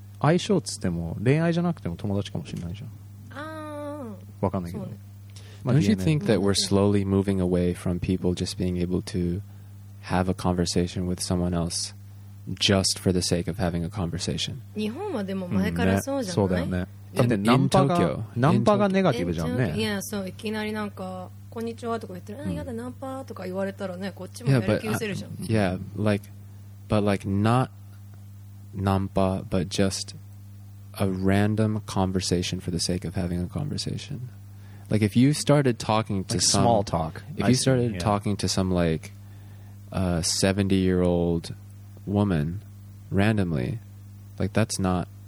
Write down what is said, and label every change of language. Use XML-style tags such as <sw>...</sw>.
<ja>相性っつっても恋愛じゃなくても友達かもしれないじゃん。ああ。わかんないけど。</ja> <en>Don't you think that we're slowly moving away from people just being able to have a conversation with someone else just for the sake of having a conversation?</en> <ja>日本はでも前からそうじゃない?そうだよね。だってナンパが、ナンパがネガティブじゃんね。いや、そう、いきなりなんかこんにちはとか言ってる。ああ、やだ、ナンパとか言われたらね、こっちも丸切れするじゃん。いや、</ja> <en>but like not ナンパ、but just a random conversation for the sake of having a conversation. Like if you started talking to like some small talk. If you started yeah. talking to some like a 70-year-old woman randomly, like that's not</en>